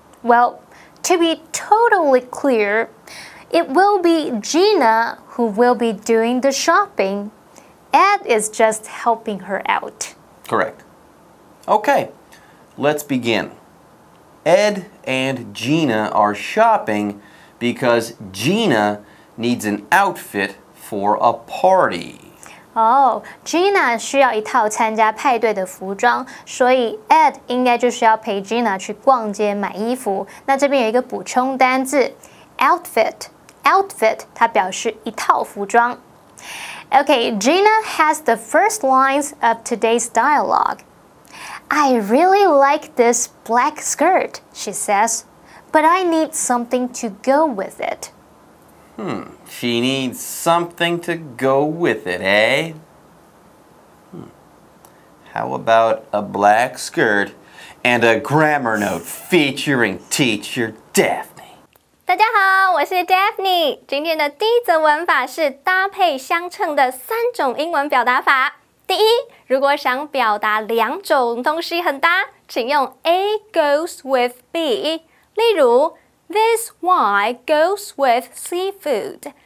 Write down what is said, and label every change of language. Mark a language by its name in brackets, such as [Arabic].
[English] Well, to be totally clear, it will be Gina who will be doing the shopping. Ed is just helping her out. Correct. Okay, let's begin. Ed and Gina are shopping because Gina needs an outfit for a party. [Chinese] Oh, Gina 需要一套参加派对的服装，所以 Ed 应该就是要陪 Gina 去逛街买衣服。那这边有一个补充单字 outfit 它表示一套服装。 [English] Okay, Gina has the first lines of today's dialogue. I really like this black skirt, she says, but I need something to go with it. She needs something to go with it, eh? How about a black skirt and a grammar note featuring teacher Daphne? [Chinese] 大家好，我是 Daphne。今天的第一则文法是搭配相称的三种英文表达法。第一，如果想表达两种东西很搭，请用 [English] A goes with B。 [Chinese] 例如 [English] ，This wine goes with seafood。